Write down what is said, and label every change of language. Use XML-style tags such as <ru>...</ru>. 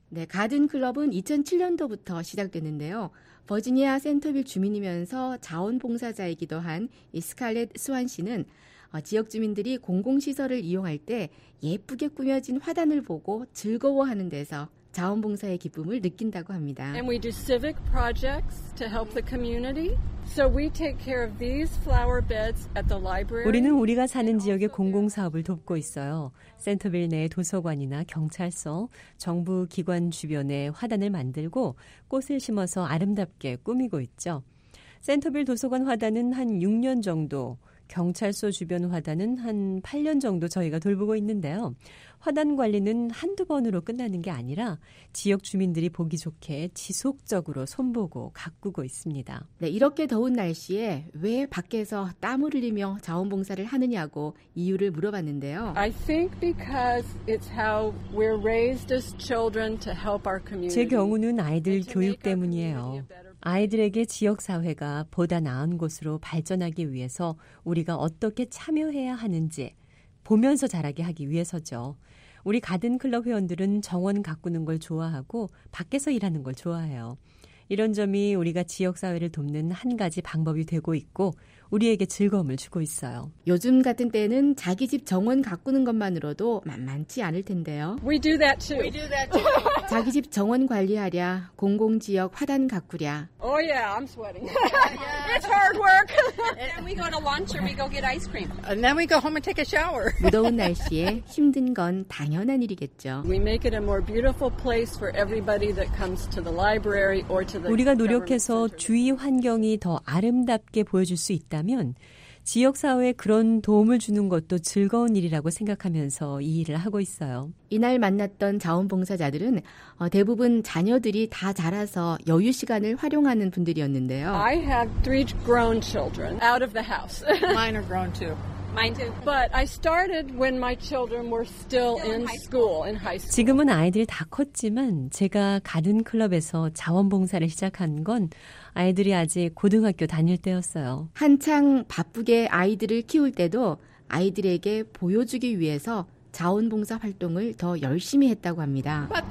<ko>네, 가든클럽은 2007년도부터 시작됐는데요. 버지니아 센터빌 주민이면서 자원봉사자이기도 한 스칼렛 스완 씨는 지역 주민들이 공공시설을 이용할 때 예쁘게 꾸며진 화단을 보고 즐거워하는 데서 자원봉사의 기쁨을 느낀다고 합니다.</ko> <en>And we do civic projects to help the community. So we take care of these flower beds at the library.</en> <ko>우리는 우리가 사는 지역의 공공 사업을 돕고 있어요. 센터빌 내 도서관이나 경찰서, 정부 기관 주변에 화단을 만들고 꽃을 심어서 아름답게 꾸미고 있죠. 센터빌 도서관 화단은 한 6년 정도, 경찰서 주변 화단은 한 8년 정도 저희가 돌보고 있는데요. 화단 관리는 한두 번으로 끝나는 게 아니라 지역 주민들이 보기 좋게 지속적으로 손보고 가꾸고 있습니다. 네, 이렇게 더운 날씨에 왜 밖에서 땀을 흘리며 자원봉사를 하느냐고 이유를 물어봤는데요.</ko> <en>I think because it's how we're raised as children to help our community.</en> <ko>제 경우는 아이들 교육 때문이에요. 아이들에게 지역사회가 보다 나은 곳으로 발전하기 위해서 우리가 어떻게 참여해야 하는지 보면서 자라게 하기 위해서죠. 우리 가든클럽 회원들은 정원 가꾸는 걸 좋아하고 밖에서 일하는 걸 좋아해요. 이런 점이 우리가 지역사회를 돕는 한 가지 방법이 되고 있고 우리에게 즐거움을 주고 있어요. 요즘 같은 때는 자기 집 정원 가꾸는 것만으로도 만만치 않을 텐데요.</ko> <en>We do that too. We do that too.</en> <ko>자기 집 정원 관리하랴, 공공지역 화단 가꾸랴.</ko> <en>Oh yeah, I'm sweating. It's hard work. And then we go to lunch or we go get ice cream. And then we go home and take a shower.</en> <ko>무더운 날씨에 힘든 건 당연한 일이겠죠.</ko> <en>We make it a more beautiful place for everybody that comes to the library or to the</en> <ko>우리가 노력해서 주위 환경이 더 아름답게 보여줄 수 있다면 지역사회에 그런 도움을 주는 것도 즐거운 일이라고 생각하면서 이 일을 하고 있어요. 이날 만났던 자원봉사자들은 대부분 자녀들이 다 자라서 여유 시간을 활용하는 분들이었는데요.</ko> <en>I have three grown children out of the house. Mine are grown too. Mine too. But I started when my children were still in school, in high school.</en> <ko>지금은 아이들이 다 컸지만 제가 가든 클럽에서 자원봉사를 시작한 건 아이들이 아직 고등학교 다닐 때였어요. 한창 바쁘게 아이들을 키울 때도 아이들에게 보여주기 위해서 자원봉사 활동을 더 열심히 했다고 합니다.</ko>